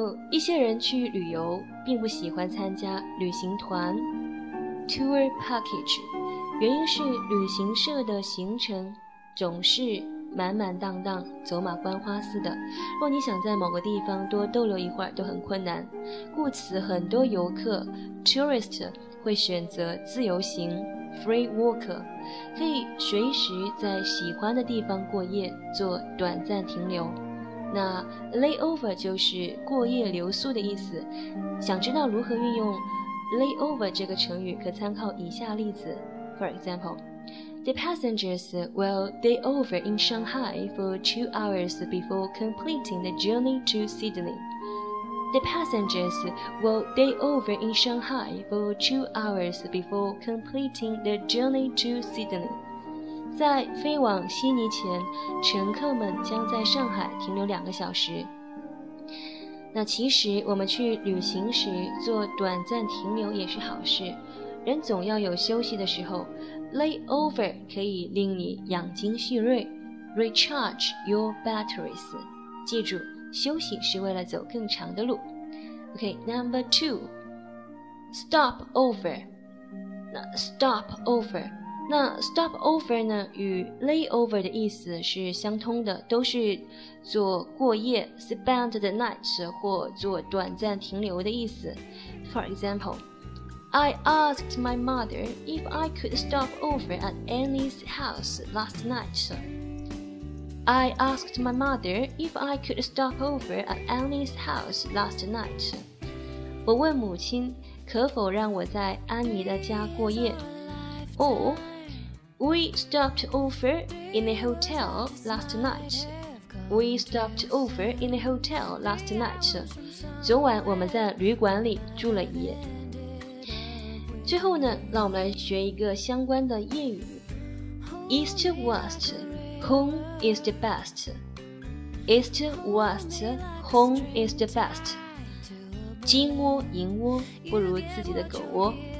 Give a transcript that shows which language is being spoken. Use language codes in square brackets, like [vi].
[zh] 一些人去旅游并不喜欢参加旅行团 Tour package， 原因是旅行社的行程总是满满当当，走马观花似的，若你想在某个地方多逗留一会儿都很困难，故此很多游客 tourist 会选择自由行 free walker， 可以随时在喜欢的地方过夜做短暂停留。那 layover 就是过夜留宿的意思。想知道如何运用 layover 这个成语，可参考以下例子。 [en] For example，The passengers will day over in Shanghai for 2 hours before completing the journey to Sydney. The passengers will day over in Shanghai for 2 hours before completing the journey to Sydney. [zh] 在飞往悉尼前，乘客们将在上海停留2个小时。那其实我们去旅行时做短暂停留也是好事，人总要有休息的时候。 Layover 可以令你养精蓄锐 ， [en] recharge your batteries。 [zh] 记住，休息是为了走更长的路。 [en] OK，number two，stopover。 [zh] 那 stopover， 那 stopover 呢？与 layover 的意思是相通的，都是做过夜 ， [en] spend the night [zh] 或做短暂停留的意思。 [en] For example。 I asked my mother if I could stop over at Annie's house last night. I asked my mother if I could stop over at Annie's house last night. [zh] 我问母亲可否让我在安妮的家过夜。 [en] Or, we stopped over in a hotel last night. We stopped over in a hotel last night. [zh] 昨晚我们在旅馆里住了一夜。最后呢，让我们来学一个相关的谚语 [en] East West Home is the best， [zh] East West Home is the best， 金窝银窝不如自己的狗窝。